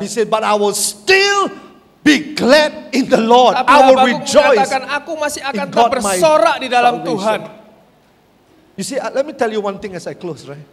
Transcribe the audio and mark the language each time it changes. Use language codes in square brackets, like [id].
[en] He said, but I will still be glad in the Lord. [id] Tapi [en] I will rejoice. [id] Katakan aku masih akan tetap bersorak di dalam Tuhan. [en] You see, let me tell you one thing as I close, right?